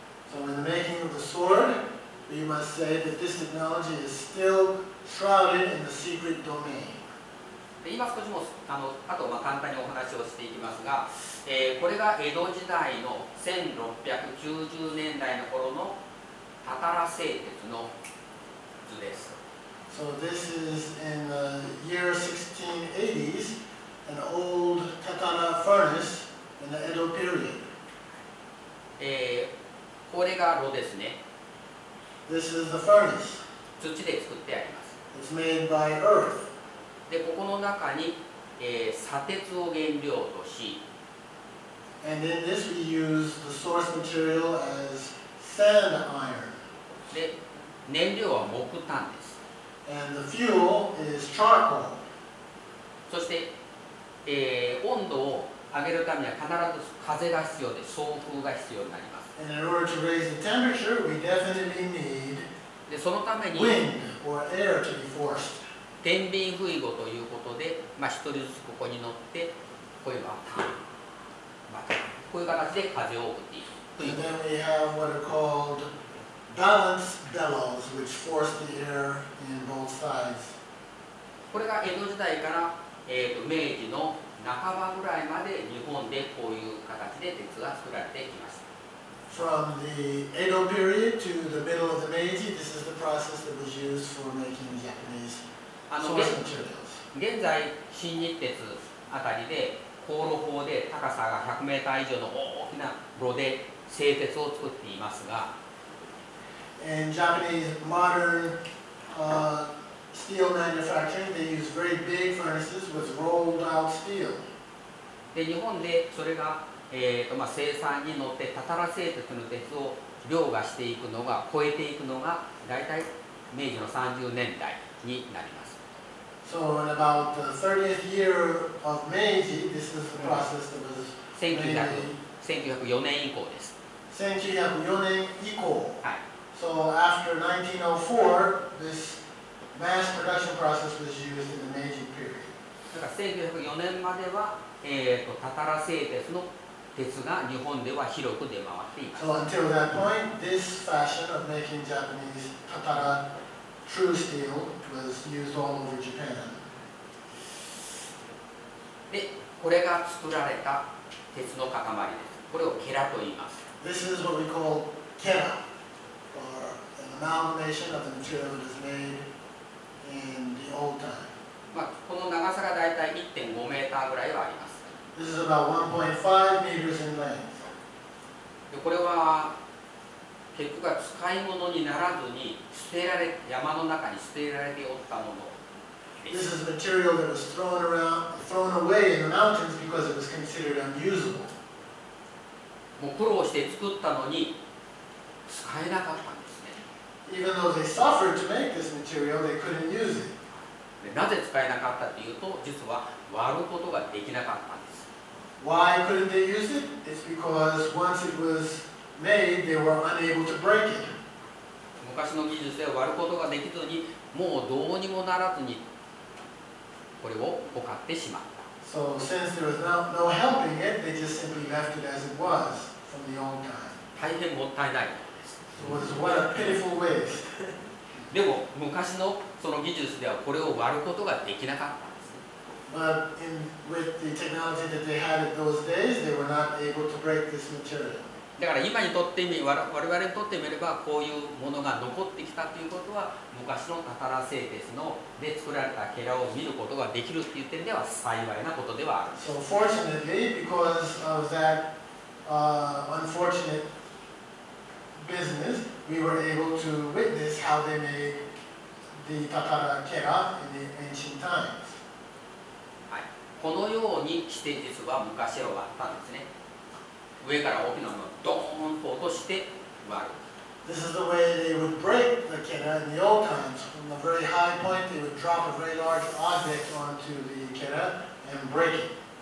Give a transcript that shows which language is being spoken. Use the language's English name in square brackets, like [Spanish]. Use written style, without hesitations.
[English] So in the making of the sword, we must say that this technology is still shrouded in the secret domain. [Japanese] で、今少しも、あと、まあ、簡単にお話をしていきますが、これが江戸時代の1690年代の頃のたたら製鉄の図です。 [English] So this is in the year 1680s, an old tatara furnace in the Edo period. [Japanese] これが炉ですね。 [English] This is the furnace. [Japanese] 土で作ってあります。 [English] It's made by earth. [Japanese] で、ここの中に、砂鉄を原料とし、 [English] And in this we use the source material as sand iron. [Japanese] で、燃料は木炭です。 [English] And the fuel is charcoal. [Japanese] そして、温度を上げるためには必ず風が必要で、送風が必要になります。 [English] And in order to raise the temperature, we definitely need [Japanese] でそのために [English] wind or air to be forced. [Japanese] 天秤ふいごということで、まあ、一人ずつここに乗って、こういうバッタン、バッタン、こういう形で風を送っていく。 [English] And then we have what are called balance bellows, which force the air in both sides. [Japanese] これが江戸時代から、明治の半ばぐらいまで日本でこういう形で鉄が作られてきました。 [English] From the Edo period to the middle of the Meiji, this is the process that was used for making Japanese source materials. [Japanese] 現在、新日鉄あたりで、高炉法で高さが100メーター以上の大きな炉で製鉄を作っていますが、 [English] In Japanese modern steel manufacturing, they use very big furnaces with rolled out steel. [Japanese] で、日本でそれが生産に乗ってたたら製鉄の鉄を凌駕していくのが超えていくのが大体明治の30年代になります。 [English] So in about the 30th year of Meiji, this is the process that was [Japanese] 1904年以降です。 1904年以降。はい。 [English] So after 1904, this mass production process was used in the Meiji period. [Japanese] だから1904年まではたたら製鉄の鉄が日本では広く出回っています。 [English] So until that point, this fashion of making Japanese tatara true steel was used all over Japan. [Japanese] で、これが作られた鉄の塊です。これをケラと言います。 [English] This is what we call Kera, or an amalgamation of the material that is made in the old time. [Japanese] まあ、この長さがだいたい 1.5 メーターぐらいはあります。 [English] This is about 1.5 meters in length. [Japanese] で、これは結局は使い物にならずに捨てられ、山の中に捨てられておったもの。 [English] This is material that was thrown around, thrown away in the mountains because it was considered unusable. [Japanese] もう苦労して作ったのに使えなかったんですね。 [English] Even though they suffered to make this material, they couldn't use it. [Japanese] で、なぜ使えなかったっていうと、実は割ることができなかったんです。 [English] Why couldn't they use it? It's because once it was made, they were unable to break it. [Japanese] 昔の技術では割ることができずに、もうどうにもならずに、これをほかってしまった。 [English] So since there was no helping it, they just simply left it as it was from the old time. [Japanese] 大変もったいないです。 [English] So it was what a pitiful waste. [Japanese] でも昔のその技術ではこれを割ることができなかったんです。 [English] But in, with the technology that they had in those days, they were not able to break this material. [Japanese] だから今にとってみ、我々にとってみればこういうものが残ってきたということは昔のタタラ製鉄ので作られたケラを見ることができるという点では幸いなことではあるんです。 [English] So fortunately, because of that unfortunate business, we were able to witness how they made the Tatara Kera in the ancient times. [Japanese] はい。このように既成鉄は昔は割ったんですね。上から大きなものをドーンと落として割る。 [English] This is the way they would break the Kera in the old times. From a very high point, they would drop a very large object onto the Kera and break it.